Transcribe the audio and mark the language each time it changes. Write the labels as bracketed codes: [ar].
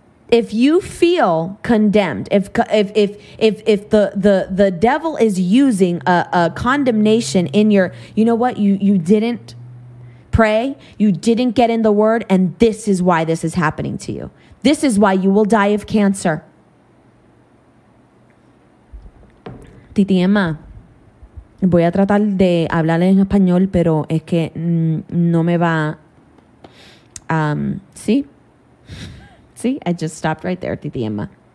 [en] If you feel condemned, if the devil is using a condemnation in your, you know what, you didn't pray, you didn't get in the word, and this is why this is happening to you. This is why you will die of cancer. [es] Titi Emma, voy a tratar de hablar en español, pero es que no me va, ¿sí? [en] See, I just stopped right there, Titi Emma.